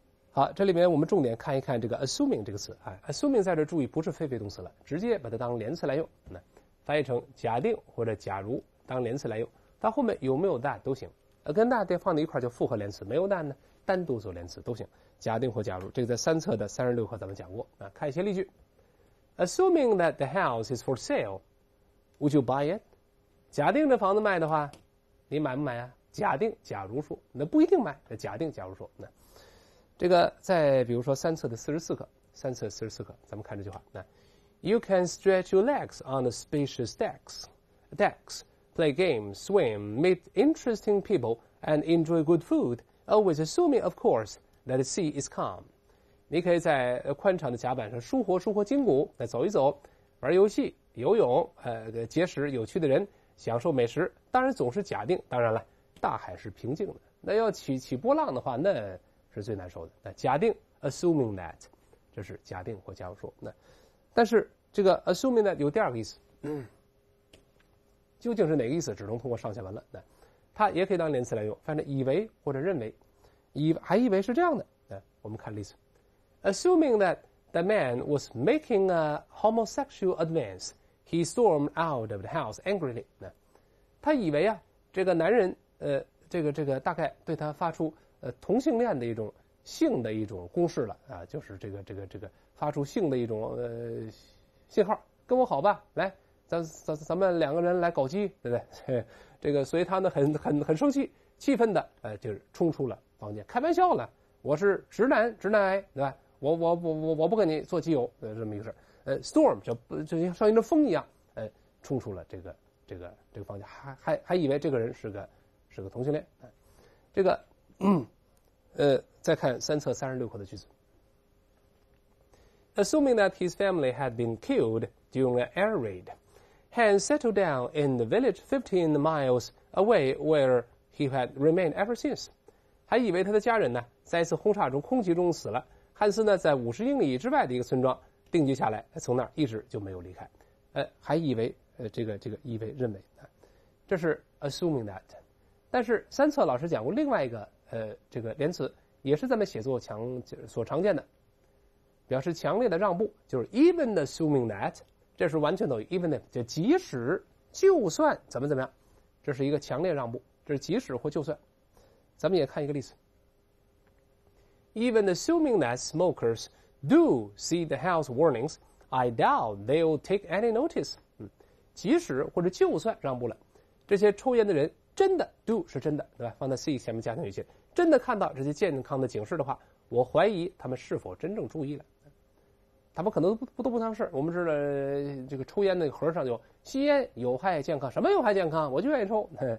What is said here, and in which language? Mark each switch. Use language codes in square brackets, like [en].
[zh] 好，这里面我们重点看一看这个 assuming 这个词啊 ，assuming 在这注意不是非非动词了，直接把它当连词来用，那翻译成假定或者假如。当连词来用，它后面有没有 that 都行，跟 that 放在一块就复合连词，没有 that 呢单独做连词都行。假定或假如，这个在三册的36课咱们讲过啊。 [en] 看一些例句 ：Assuming that the house is for sale, would you buy it？ [zh] 假定这房子卖的话，你买不买啊？假定假如说，那不一定买。假定假如说，那这个在比如说三册的44课，三册44课，咱们看这句话：那 [en] You can stretch your legs on the spacious decks. Play games, swim, meet interesting people, and enjoy good food, always assuming, of course, that the sea is calm. [zh] 你可以在宽敞的甲板上舒活筋骨，再走一走，玩游戏，游泳，结识有趣的人，享受美食，当然总是假定，当然了，大海是平静的，那要起波浪的话，那是最难受的。那假定 assuming that， 这是假定或假如说。那但是这个 assuming that 有第二个意思。究竟是哪个意思，只能通过上下文了。它也可以当连词来用，反正以为或者认为，还以为是这样的。 [en] 我们看例子 ：Assuming that the man was making a homosexual advance, he stormed out of the house angrily. [zh] 他以为啊，这个男人大概对他发出同性恋的一种性的一种攻势了啊，就是发出性的一种信号，跟我好吧，来。咱们两个人来搞基，对不对？这个，所以他呢很生气，气愤的，就是冲出了房间，开玩笑呢，我是直男，直男癌，对吧？我不跟你做基友，这么一个事。 Storm 就像上一阵风一样，冲出了这个房间，还以为这个人是个同性恋。这个，再看三册36课的句子。 [en] Assuming that his family had been killed during an air raid, Han settled down in the village 15 miles away where he had remained ever since. [zh] 还以为他的家人呢，在一次轰炸中空袭中死了。汉斯呢，在50英里之外的一个村庄定居下来，从那儿一直就没有离开。还以为这个以为认为，这是 assuming that。但是三册老师讲过另外一个这个连词，也是咱们写作强所常见的。表示强烈的让步，就是 even assuming that， 这是完全等于 even if， 就即使就算怎么样，这是一个强烈让步，这是即使或就算。咱们也看一个例子。 [en] Even assuming that smokers do see the health warnings, I doubt they'll take any notice。 [zh] 即使或者就算让步了，这些抽烟的人真的 do 是真的，对吧？放在 see 前面加上语气，真的看到这些健康的警示的话，我怀疑他们是否真正注意了。他们可能都不当事儿。我们知道这个抽烟那个盒上就吸烟有害健康，什么有害健康？我就愿意抽。